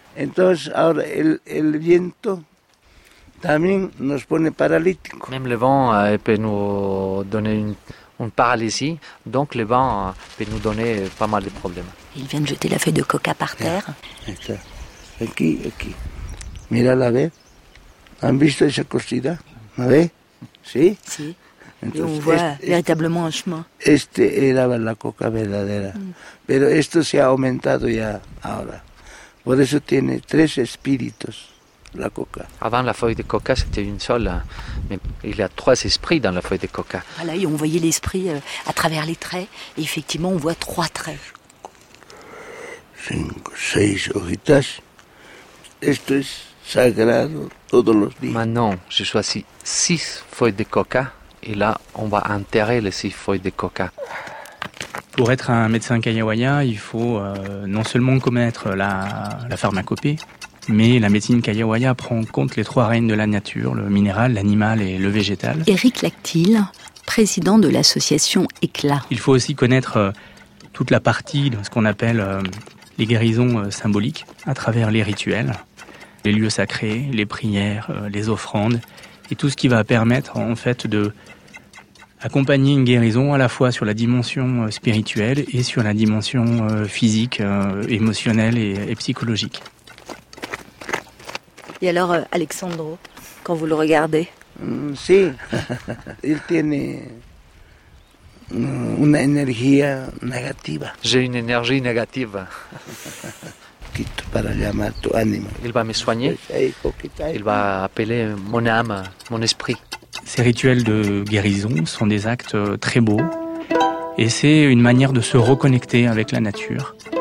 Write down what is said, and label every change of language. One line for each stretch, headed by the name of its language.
Spanish: Entonces, ahora el viento también nos pone paralítico.
French: Même le vent peut nous donner une paralysie, donc le vent peut nous donner pas mal de problèmes. Il vient de jeter la feuille de coca par terre.
Spanish: Aquí, aquí. Mira la ve. ¿Han visto esa costilla? ¿La ve? Sí. Sí. Entonces,
French: on voit véritablement un chemin.
Spanish: Este era la coca verdadera. Pero esto se ha aumentado ya ahora. Por eso tiene tres espíritus, la coca.
French: Avant, la feuille de coca, c'était une seule. Hein. Mais il y a trois esprits dans la feuille de coca. Voilà, et on voyait l'esprit à travers les traits. Et effectivement, on voit trois traits. Cinq,
Spanish: seis hojitas. Esto es sagrado todos los días.
French: Maintenant, j'ai choisi six feuilles de coca. Et là, on va enterrer les six feuilles de coca. Pour être un médecin kayawaya, il faut non seulement connaître la pharmacopée, mais la médecine kayawaya prend en compte les trois règnes de la nature, le minéral, l'animal et le végétal. Éric Lactil, président de l'association Éclat. Il faut aussi connaître toute la partie de ce qu'on appelle les guérisons symboliques à travers les rituels, les lieux sacrés, les prières, les offrandes et tout ce qui va permettre en fait de accompagner une guérison à la fois sur la dimension spirituelle et sur la dimension physique, émotionnelle et psychologique. Et alors, Alexandro, quand vous le regardez?
Spanish: Si, il tiene una energía negativa.
French: J'ai une énergie négative.
Spanish: Para llamar tu ánimo.
French: Il va me soigner, il va appeler mon âme, mon esprit. Ces rituels de guérison sont des actes très beaux et c'est une manière de se reconnecter avec la nature.